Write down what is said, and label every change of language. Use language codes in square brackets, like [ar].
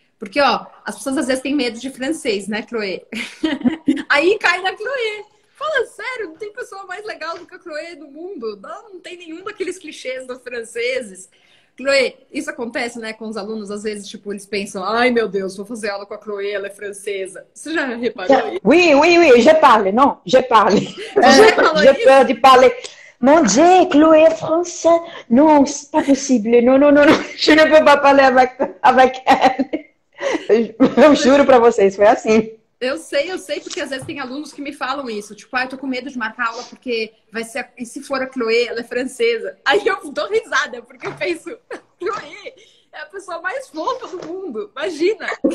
[pt] Porque, ó, as pessoas às vezes têm medo de francês, né, Chloé? Aí cai na Chloé. Fala sério, não tem pessoa mais legal do que a Chloé no mundo? Não, não tem nenhum daqueles clichês dos franceses. Chloé, isso acontece, né, com os alunos, às vezes, tipo, eles pensam, ai, meu Deus, vou fazer aula com a Chloé, ela é francesa. Você já reparou isso? [fr] Oui, je parle, non, je parle. [pt] Já falou [fr] Je [pt] isso? [fr] peux parler. Mon Dieu, Chloé français. Non, c'est pas possible. Non, non, non, non. Je ne peux pas parler avec elle. [pt] Eu juro para vocês, foi assim. Eu sei, porque às vezes tem alunos que me falam isso. Tipo, ah, eu tô com medo de marcar aula porque vai ser. E se for a Chloé, ela é francesa. Aí eu dou risada, porque eu penso, Chloé é a pessoa mais fofa do mundo. Imagina!